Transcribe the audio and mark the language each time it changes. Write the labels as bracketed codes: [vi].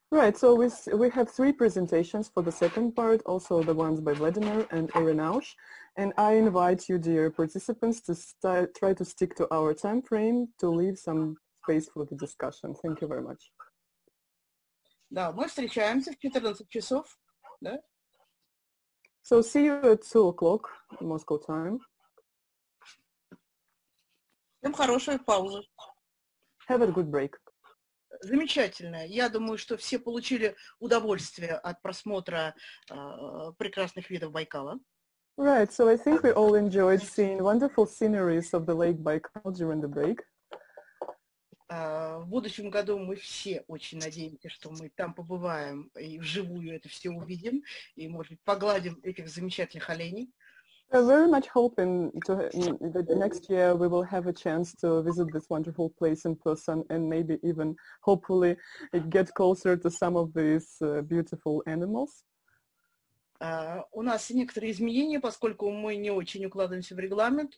[en] Right, so we have three presentations for the second part, also the ones by Vladimir and Irenausch. And I invite you, dear participants, to try to stick to our time frame, to leave some space for the discussion. Thank you very much. [ru] Да, мы встречаемся в 14 часов, да? [en] So see you at 2 o'clock, Moscow time. [ru] Всем хорошей паузы. [en] Have a good break. [ru] Замечательно. Я думаю, что все получили удовольствие от просмотра прекрасных видов Байкала. [en] Right, so I think we all enjoyed seeing wonderful sceneries of the Lake Baikal during the break. [ru] В будущем году мы все очень надеемся, что мы там побываем и вживую это все увидим, и, может быть, погладим этих замечательных оленей. [en] We are very much hoping that next year we will have a chance to visit this wonderful place in person and maybe even, hopefully, get closer to some of these beautiful animals. [ru] У нас некоторые изменения, поскольку мы не очень укладываемся в регламент.